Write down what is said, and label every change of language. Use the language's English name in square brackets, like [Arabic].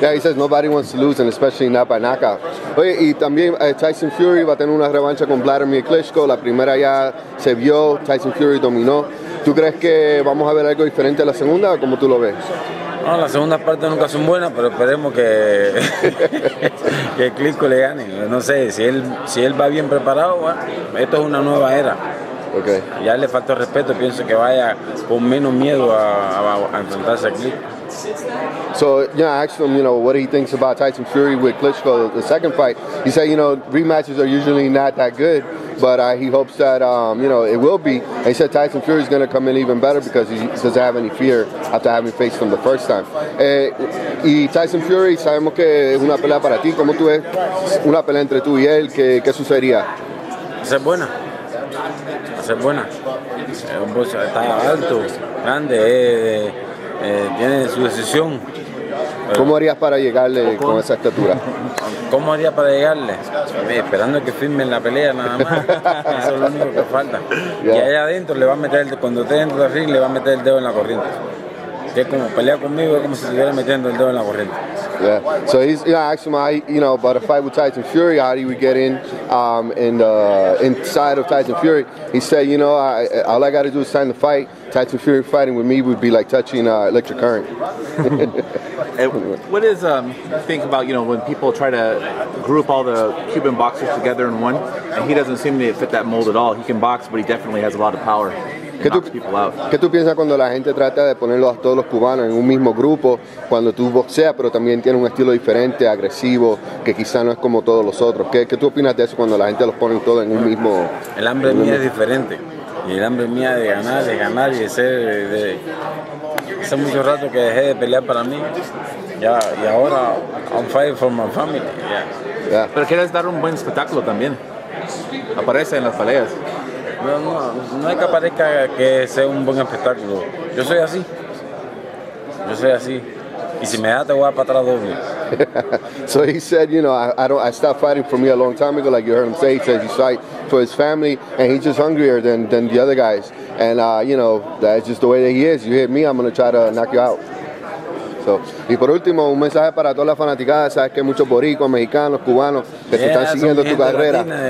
[English] Yeah, he says nobody wants to lose, and especially not by knockout. [Spanish] Oye, y también Tyson Fury va a tener una revancha con Vladimir Klitschko. La primera ya se vio, Tyson Fury dominó. ¿Tú crees que vamos a ver algo diferente a la segunda o cómo tú lo ves? No, las segundas partes nunca son buenas, pero esperemos que, que Klitschko le gane. No sé, si él va bien preparado, bueno, esto es una nueva era. Okay. Ya le falta respeto, pienso que vaya con menos miedo a enfrentarse a Klitschko. [English] So, yeah, I asked him, you know, what he thinks about Tyson Fury with Klitschko, the second fight. He said, you know, rematches are usually not that good, but he hopes that, you know, it will be. And he said Tyson Fury is going to come in even better because he doesn't have any fear after having faced him the first time. [Spanish] Y Tyson Fury, sabemos que es una pelea para ti. ¿Cómo tú ves una pelea entre tú y él? ¿Qué sucedería? Ser buena. Ser buena. Está alto, grande, tiene su decisión. ¿Cómo harías para llegarle con esa estatura? ¿Cómo haría para llegarle? Esperando que firme en la pelea nada más. Eso es lo único que falta. Yeah. Y allá adentro le va a meter, cuando esté dentro del ring, le va a meter el dedo en la corriente. Que como pelea conmigo es como si estuviera metiendo el dedo en la corriente. [English] Yeah, so he's, you know, asked him, you know, about a fight with Tyson Fury, how do we get in, inside of Tyson Fury. He said, you know, all I got to do is sign the fight. Tyson Fury fighting with me would be like touching electric current. What is, think about, you know, when people try to group all the Cuban boxers together in one, and he doesn't seem to fit that mold at all. He can box, but he definitely has a lot of power. [Spanish] ¿Qué tú piensas cuando la gente trata de ponerlos a todos los cubanos en un mismo grupo, cuando tú boxeas, pero también tienes un estilo diferente, agresivo, que quizá no es como todos los otros? ¿Qué tú opinas de eso cuando la gente los pone todos en un mismo? El hambre mío es diferente. Y el hambre mío de ganar y de ser. Hace mucho rato que dejé de pelear para mí. Y ahora, [English] I'm fighting for my family. Yeah. Yeah. [Spanish] Pero quieres dar un buen espectáculo también. Aparece en las peleas. No hay que aparezca que sea un buen espectáculo. Yo soy así. Y si me da, te voy a patrar doble. [English] So he said, you know, I stopped fighting for me a long time ago, like you heard him say. He says he fight for his family, and he's just hungrier than the other guys. And, you know, that's just the way that he is. You hit me, I'm going to try to knock you out. [Spanish] So, y por último, un mensaje para todas las fanaticadas. Sabes que hay muchos boricuas, mexicanos, cubanos que te están siguiendo tu carrera.